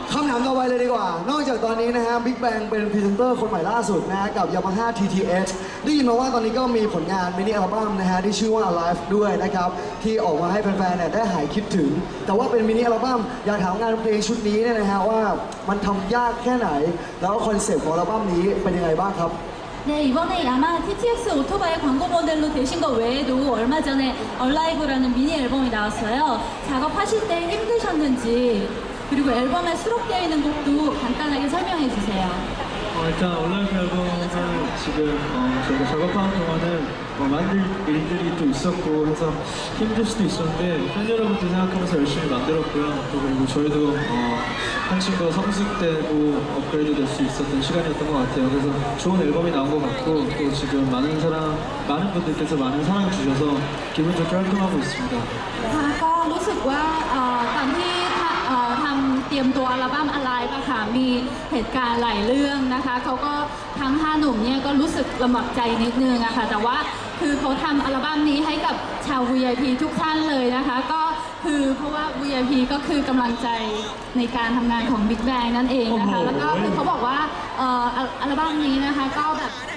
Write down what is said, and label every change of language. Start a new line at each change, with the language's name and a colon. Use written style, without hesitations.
Thai: คำถามต่อไปเลยดีกว่านอกจากตอนนี้นะฮะ Big Bang เป็นพรีเซนเตอร์คนใหม่ล่าสุดนะกับ Yamaha TTX ได้ยินมาว่าตอนนี้ก็มีผลงานมินิอัลบั้มนะฮะที่ชื่อว่า Alive ด้วยนะครับที่ออกมาให้แฟนๆเนี่ยได้หายคิดถึงแต่ว่าเป็นมินิอัลบั้มอยากถามงานเพลงชุดนี้เนี่ยนะฮะว่ามันทำยากแค่ไหนแล้วคอนเซ็ปต์ของอัลบั้มนี้เป็นยังไงบ้างครับ
Korean: 네이번에 Yamaha TTX 오토바이 광고 모델로 되신 것 외에도 얼마 전에 Alive 라는 미니 앨범이 나왔어요 작업하실 때 힘드셨는지 그리고 앨범에 수록되어 있는 곡도 간단하게 설명해 주세요 일단 Alive 앨범을 지금 저희가 작업하는 동안은 만들 일들이 또 있었고 해서 힘들 수도 있었는데 팬여러분들 생각하면서 열심히 만들었고요 또 그리고 저희도 한층 더 성숙되고 업그레이드 될 수 있었던 시간이었던 것 같아요 그래서 좋은 앨범이 나온 것 같고 또 지금 많은 분들께서 많은 사랑 주셔서 기분 좋게 활동하고 있습니다
Thai: ก็ รู้สึกว่า ตอนที่ ทำ เตรียมตัว อัลบั้ม Alive ค่ะ มี เหตุการณ์ หลายเรื่อง นะคะ เขาก็ ทั้ง 5 หนุ่ม เนี่ย ก็ รู้สึกลำบากใจ นิดนึง อะค่ะ แต่ว่า คือ เขาทำ อัลบั้มนี้ ให้กับ ชาว VIP ทุกท่านเลย นะคะ ก็คือเพราะว่า VIP ก็คือกำลังใจในการทำงานของ Big Bang นั่นเองนะคะแล้วก็คือเขาบอกว่าอัลบั้มนี้นะคะก็แบบ